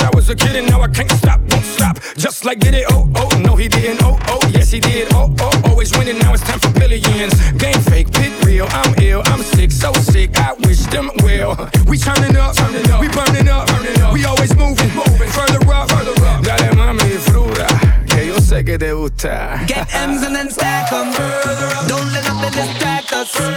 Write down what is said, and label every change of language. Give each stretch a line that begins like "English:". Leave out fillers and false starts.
English: a kid and now I can't stop, won't stop. Just like did it, oh, oh, no he didn't, oh, oh, yes he did. Oh, oh, always winning, now it's time for billions. Game fake, pit real, I'm ill, I'm sick, so sick, I wish them well. We turning up, we burning up, we always moving, moving further up, further up.
Spanish: Dale mami, fruta, que yo sé que te gusta.
English: Get M's and then stack them, don't let nothing distract us.